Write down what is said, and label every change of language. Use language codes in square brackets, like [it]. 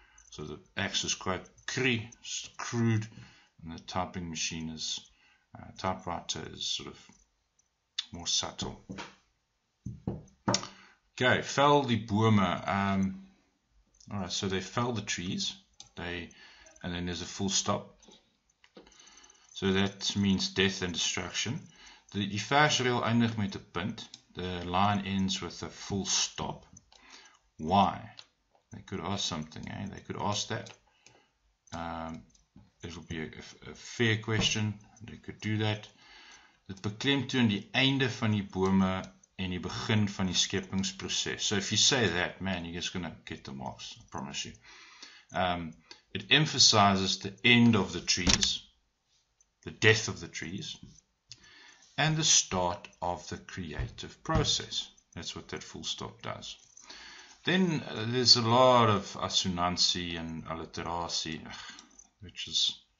[en] So the axe is quite crude, and the typing machine is, typewriter is sort of more subtle. Okay, fell the boomer, all right, so they fell the trees, and then there's a full stop. So that means death and destruction. [af] The vers wil eindig met 'n punt. [en] The line ends with a full stop. Why? They could ask something, eh? They could ask that. It would be a fair question. They could do that. [af] Dit beklemtoon die einde van die bome en die begin van die skepingsproses. [en] So if you say that, man, you're just going to get the marks, I promise you. It emphasizes the end of the trees, the death of the trees, and the start of the creative process. That's what that full stop does. Then there's a lot of assonansie and alliteratie, which is...